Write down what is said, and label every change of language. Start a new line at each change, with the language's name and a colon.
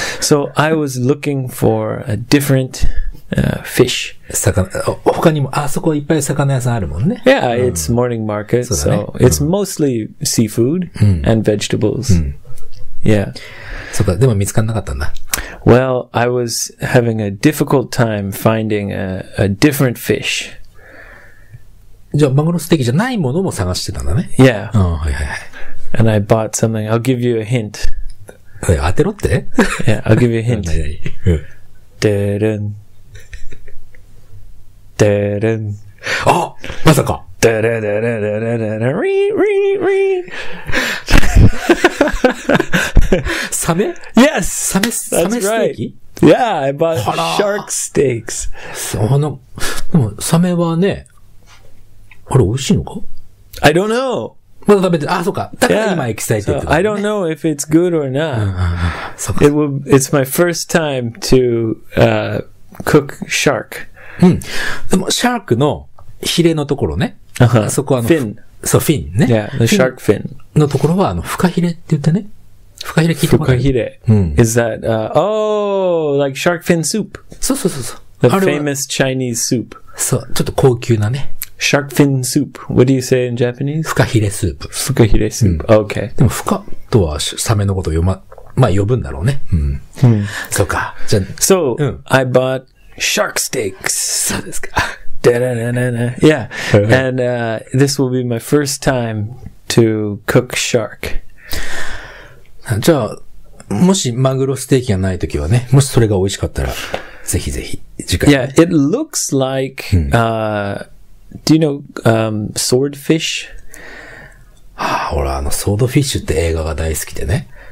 English: so I was looking for a different、fish.
Japanese: 魚、他にも、あそこいっぱい魚屋さんあるもんね。
English: Yeah,、うん、it's morning market,
Japanese: そうだね、
English: so it's、うん、mostly seafood、
Japanese: うん、
English: and vegetables.、
Japanese: うん、
English: yeah.
Japanese: そうか、でも見つからなかったんだ。
English: Well, I was having a difficult time finding a different fish.
Japanese: じゃあ、マグロステーキじゃないものも探してたんだね。
English: Yeah.
Japanese: うん、はいはいはい。
English: And I bought something. I'll give you a hint.
Japanese: 当てろって?
English: Yeah, I'll give you a hint. デルン。
Japanese: デルン。あ!まさか! デルデルデルデルデルデルサメ?
English: Yes!
Japanese: サメ、サメステーキ?
English: Yeah, I bought shark steaks.
Japanese: あの、でもサメはね、あれ美味しいのか?
English: I don't know!
Japanese: まだ食べてる。あ、そっか。だから今エキサイティッド。
English: I don't know if it's good or not.
Japanese: うん、そっか。
English: It's my first time to, cook shark.
Japanese: うん。でも、シャークのヒレのところね。
English: Uh-huh.
Japanese: そこはフィン。そう、フィンね。
English: Yeah, the shark fin.
Japanese: のところは、フカヒレって言ってね。フカヒレ聞いてもらえる?フカヒレ。うん。
English: Is that, like shark fin soup?
Japanese: そうそうそうそう。
English: The famous Chinese soup.
Japanese: そう、ちょっと高級なね。
English: Shark fin soup. What do you say in Japanese?
Japanese: フカヒレスープ。フカヒレスープ。OK. でも、フカとはサメのことを呼ぶんだろうね。うん。うん、そうか。じゃあ、
English: So,、うん、I bought shark steaks.
Japanese: そうですか。 da da da da da. Yeah.
English: And, this will be my first time to cook shark.
Japanese: じゃあ、もしマグロステーキがないときはね、もしそれが美味しかったら、ぜひぜひ、次回、ね。
English: Yeah, it looks like,、うん、Do you know, swordfish?
Japanese: ああ、俺swordfish って映画が大好きでね。